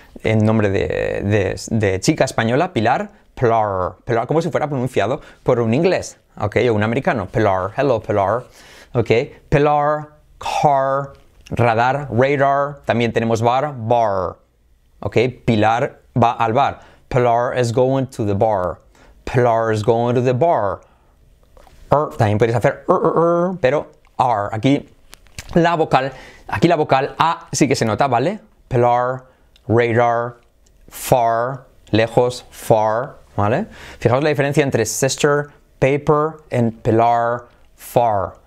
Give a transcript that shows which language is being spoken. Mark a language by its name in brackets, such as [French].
[Spanish] En nombre de chica española, Pilar, plar, plar, como si fuera pronunciado por un inglés, ¿ok? O un americano, plar, hello, plar, ¿ok? Plar, car, radar, radar, también tenemos bar, bar, ¿ok? Pilar va al bar, [English] plar is going to the bar, plar is going to the bar. [Spanish] También puedes hacer pero R, aquí la vocal A sí que se nota, ¿vale? Plar, radar, far, lejos, far, ¿vale? Fijaos la diferencia entre sister, paper, and pilar, far.